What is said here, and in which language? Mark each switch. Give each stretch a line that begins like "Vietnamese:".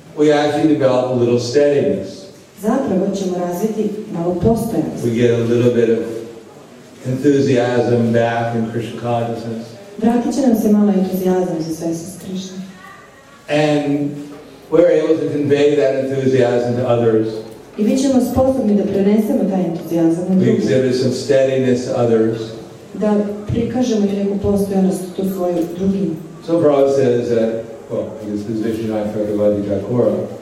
English: We actually develop a little steadiness.
Serbian: Zapravo ćemo razviti malo postojanost.
English: We get a little bit of enthusiasm back in Krishna consciousness.
Serbian: Vratit će nam se malo entuzijazam za svjesnost Krishna.
English: And we're able to convey that enthusiasm to others.
Serbian: I bit ćemo sposobni da prenesemo taj entuzijazam na drugi.
English: We exhibit some steadiness to others.
Serbian: Da prikažemo neku postojanost tu svoju drugim.
English: So Prabhupada says that, well, in this vision I felt about the Chakra.